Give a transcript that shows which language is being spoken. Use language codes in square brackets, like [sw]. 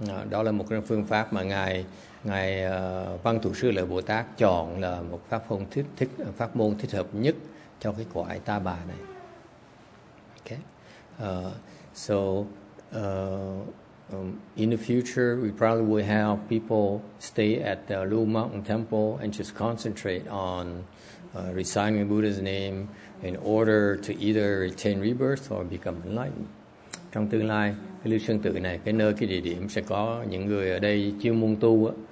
[vi] Đó là một phương pháp mà ngài Văn Thù Sư Lợi Bồ Tát chọn là một pháp môn thích hợp nhất cho cái quả ta bà này. [en] Okay. In the future, we probably will have people stay at the Lu Mountain Temple and just concentrate on reciting the Buddha's name in order to either attain rebirth or become enlightened. [vi] Trong tương lai, cái lưu sương tự này, cái nơi, cái địa điểm sẽ có những người ở đây chuyên môn tu.